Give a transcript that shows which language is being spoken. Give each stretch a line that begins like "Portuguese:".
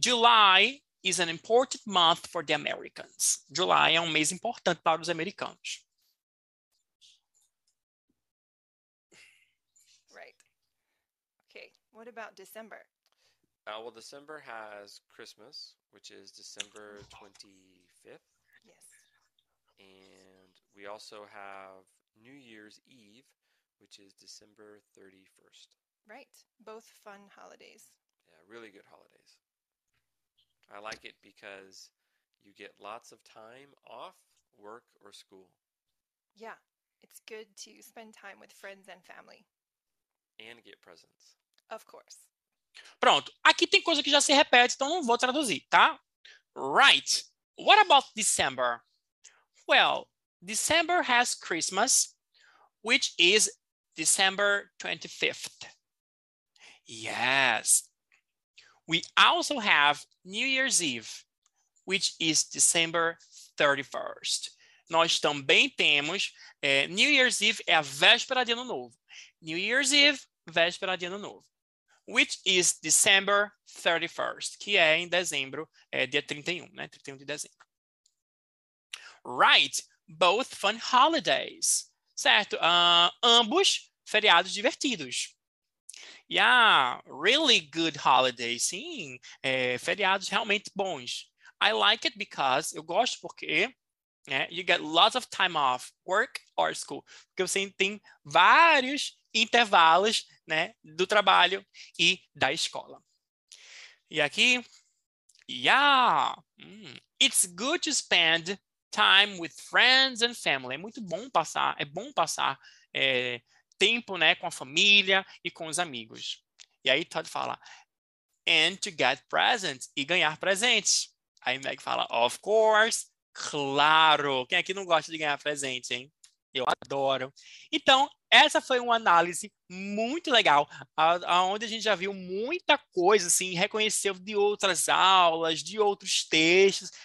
English: July is an important month for the Americans.
Portuguese: July é um mês importante para os americanos.
English: What about December? Well, December has Christmas, which is December 25th. And we also have New Year's Eve, which is December 31st. Right, both fun holidays. Yeah, really good holidays. I like it because you get lots of time off work or school. Yeah, it's good to spend time with friends and family. And get presents. Of course.
Portuguese: Pronto, aqui tem coisa que já se repete, então não vou traduzir, tá?
English: Right. What about December? Well, December has Christmas, which is December 25th. Yes. We also have New Year's Eve, which is December 31st.
Portuguese: Nós também temos, New Year's Eve é a véspera de Ano Novo. New Year's Eve, véspera de Ano Novo.
English: Which is December 31st,
Portuguese: que é em dezembro, é dia 31, né? 31 de dezembro.
English: Right, both fun holidays.
Portuguese: Certo? Ambos feriados divertidos.
English: Yeah, really good holidays.
Portuguese: Sim, feriados realmente bons.
English: I like it because,
Portuguese: eu gosto porque, né?
English: You get lots of time off, work or school.
Portuguese: Porque você tem vários intervalos, né, do trabalho e da escola. E aqui,
English: yeah, it's good to spend time with friends and family.
Portuguese: É bom passar tempo, né, com a família e com os amigos. E aí Todd fala,
English: and to get presents,
Portuguese: e ganhar presentes. Aí Meg fala,
English: of course,
Portuguese: claro. Quem aqui não gosta de ganhar presente, hein? Eu adoro. Então, essa foi uma análise muito legal, onde a gente já viu muita coisa, assim, reconheceu de outras aulas, de outros textos.